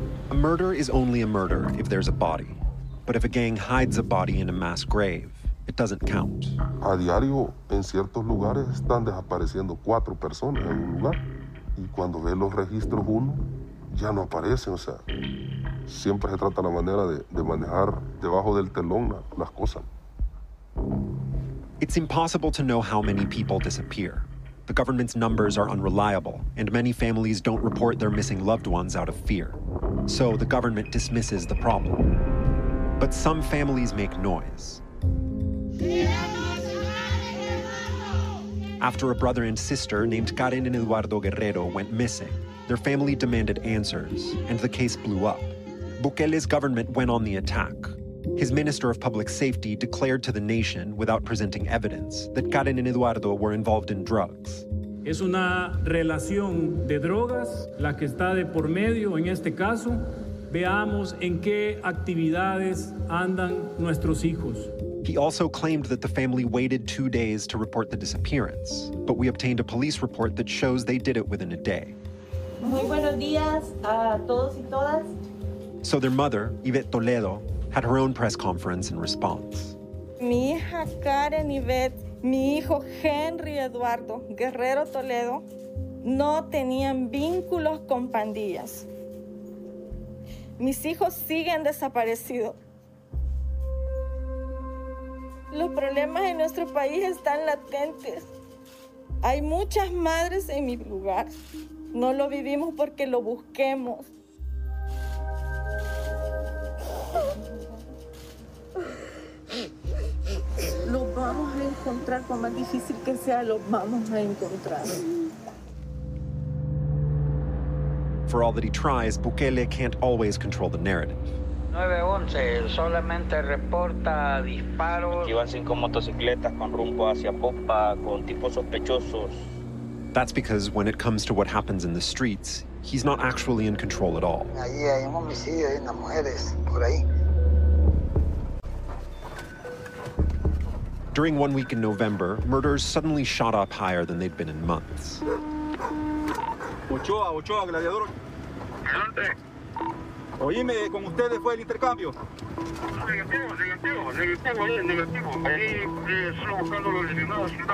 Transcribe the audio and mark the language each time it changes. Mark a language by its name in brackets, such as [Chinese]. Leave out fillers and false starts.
[English] A murder is only a murder if there's a body. But if a gang hides a body in a mass grave, it doesn't count. [Spanish] A diario, en ciertos lugares, están desapareciendo cuatro personas en un lugar. Y cuando ve los registros uno, ya no aparecen. O sea, siempre se trata la manera de manejar debajo del telón las cosas. [English] It's impossible to know how many people disappear. The government's numbers are unreliable, and many families don't report their missing loved ones out of fear. So the government dismisses the problem. But some families make noise. After a brother and sister named Karen and Eduardo Guerrero went missing, their family demanded answers, and the case blew up. Bukele's government went on the attack. His minister of public safety declared to the nation, without presenting evidence, that Karen and Eduardo were involved in drugs. [Spanish] Es una relación de drogas la que está de por medio en este caso. Veamos en qué actividades andan nuestros hijos. [English] He also claimed that the family waited 2 days to report the disappearance, but we obtained a police report that shows they did it within a day. [Spanish] Muy buenos días a todos y todas. [English] So their mother, Yvette Toledo, had her own press conference in response. [Spanish] Mi hija Karen Yvette, mi hijo Henry Eduardo Guerrero Toledo, no tenían vínculos con pandillas. Mis hijos siguen desaparecidos. Los problemas en nuestro país están latentes. Hay muchas madres en mi lugar. No lo vivimos porque lo busquemos. Los vamos a encontrar, por más difícil que sea, los vamos a encontrar. [English] For all that he tries, Bukele can't always control the narrative. [Spanish] 911 solamente reporta disparos. Aquí van 5 motocicletas con rumbo hacia Popa con tipos sospechosos. [English] That's because when it comes to what happens in the streets, he's not actually in control at all. [Spanish] Ahí hay un homicidio de unas mujeres por ahí. [English] During 1 week in November, murders suddenly shot up higher than they'd been in months. [Spanish] Ochoa, Ochoa, gladiador. Adelante. Oíme, con ustedes fue el intercambio. Negativo, negativo, negativo, negativo. Ahí solo buscando los eliminados.